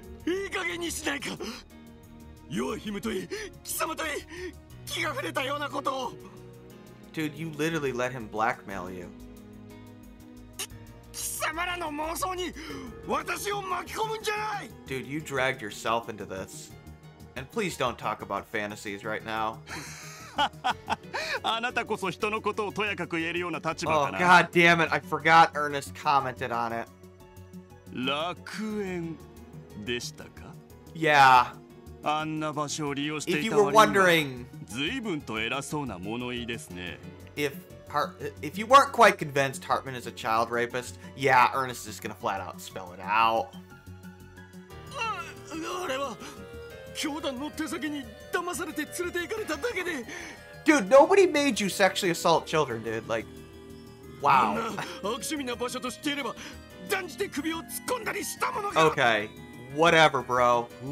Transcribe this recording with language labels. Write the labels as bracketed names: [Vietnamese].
[Japanese] いい加減にしないか。ヨアヒムといい、貴様といい、気が触れたようなことを。 [English] Dude, you literally let him blackmail you. [Japanese] 貴様らの妄想に私を巻き込むんじゃない! [English] Dude, you dragged yourself into this. And please don't talk about fantasies right now. Oh, God damn it. I forgot Ernest commented on it. [Japanese] 楽園でしたか? [English] Yeah. [Japanese] あんな場所を利用していた割には... [English] If you were wondering... [Japanese] 随分と偉そうな物言いですね。 [English] If you weren't quite convinced Hartman is a child rapist, yeah, Ernest is gonna flat out spell it out. [Japanese] あれは... 教団の手先に騙されて連れて行かれただけで [English] Dude, nobody made you sexually assault children, dude. Like, wow. Okay, whatever, bro.